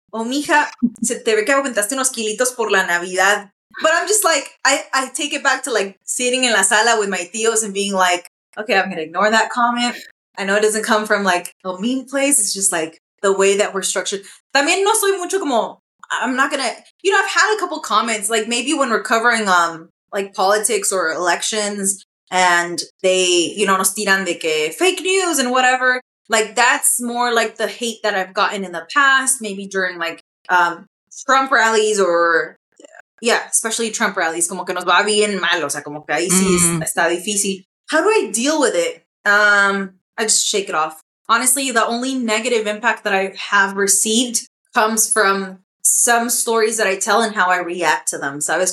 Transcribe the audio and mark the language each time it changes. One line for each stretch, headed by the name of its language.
Spanish: O mija, se te ve que aumentaste unos kilitos por la Navidad.
English: But I'm just like, I take it back to like sitting in la sala with my tíos and being like, okay, I'm going to ignore that comment. I know it doesn't come from like a mean place. It's just like the way that we're structured.
Spanish: También no soy mucho como,
English: I'm not going to, you know, I've had a couple comments, like maybe when we're covering like politics or elections and they, you know,
Spanish: nos tiran de que
English: fake news and whatever. Like that's more like the hate that I've gotten in the past, maybe during like Trump rallies or... Yeah, especially Trump rallies,
Spanish: como que nos va bien mal, o sea, como que ahí sí está difícil.
English: How do I deal with it? I just shake it off. Honestly, the only negative impact that I have received comes from some stories that I tell and how I react to them, ¿sabes?